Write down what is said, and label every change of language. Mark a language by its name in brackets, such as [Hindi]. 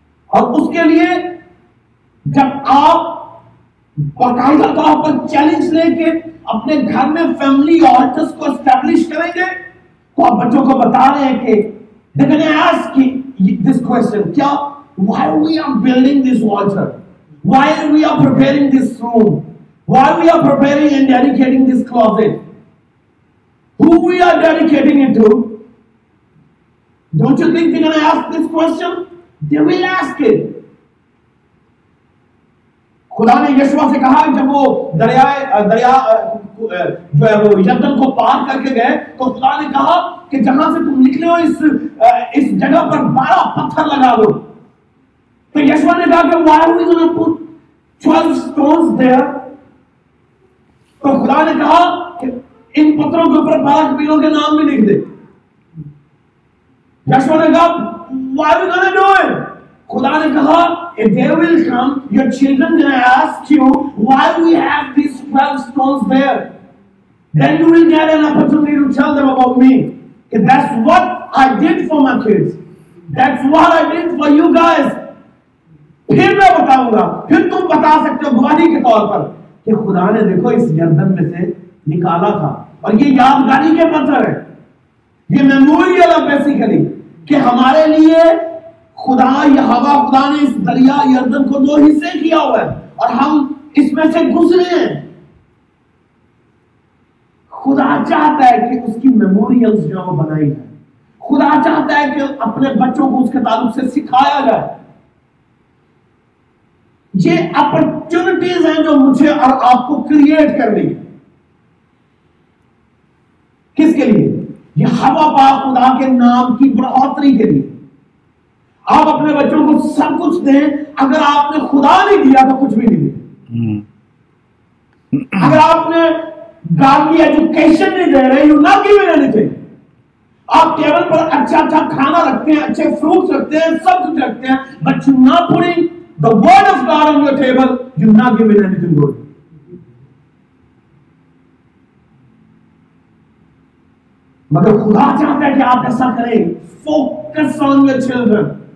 [Urdu] اور اس کے لیے جب آپ باقاعدہ طور پر چیلنج لے کے اپنے گھر میں فیملی آلٹرز کو اسٹیبلش کریں گے, تو آپ بچوں کو بتا رہے ہیں کہ [English] They're going to ask this question, kya, why we are building this altar? Why we are preparing this room? Why we are preparing and dedicating this closet? Who we are dedicating it to? Don't you think they're going to ask this question? They will ask it. [Urdu] خدا نے Yeshua سے کہا جب وہ دریا جو ہے وہ یردن کو پار کر کے گئے, تو خدا نے کہا کہ جہاں سے تم نکلے ہو اس جگہ پر 12 پتھر لگا دو. تو یشوا نے کہا کہ [English] why are we gonna put 12 stones there? [Urdu] تو خدا نے کہا کہ ان پتھروں کے اوپر 12 قبیلوں کے نام بھی لکھ دے. یشوا نے کہا [English] why are we gonna do it? [Urdu] خدا نے کہا [English] if they will come your children gonna ask you why we have these 12 stones there, then you will get an opportunity to tell them about me, if that's what I did for my kids, that's what I did for you guys. [Urdu] پھر میں بتاؤں گا, پھر تم بتا سکتے ہو گواہی کے طور پر کہ خدا نے دیکھو اس یردن میں سے نکالا تھا. اور یہ یادگاری کے پتھر ہے, یہ میموریل ہے بیسیکلی کہ ہمارے لیے خدا یہوہ خدا نے اس دریا یردن کو دو حصے کیا ہوا ہے اور ہم اس میں سے گزرے ہیں. خدا چاہتا ہے کہ اس کی میموریلز جو بنائی جائے, خدا چاہتا ہے کہ اپنے بچوں کو اس کے تعلق سے سکھایا جائے. یہ اپرچونٹیز ہیں جو مجھے اور آپ کو کریٹ کرنی ہے. کس کے لیے؟ یہوہ پاک خدا کے نام کی بڑھوتری کے لیے. آپ اپنے بچوں کو سب کچھ دیں, اگر آپ نے خدا نہیں دیا تو کچھ بھی نہیں دیا. اگر آپ نے گاڑی ایجوکیشن نہیں دے رہے, [English] You not giving anything. [Urdu] آپ ٹیبل پر اچھا اچھا کھانا رکھتے ہیں, اچھے فروٹس رکھتے ہیں, سب کچھ رکھتے ہیں, [English] But you not putting the word of God on your table, you not giving anything good. [Urdu] مگر خدا چاہتا ہے کہ آپ ایسا کریں, [English] Focus on your children.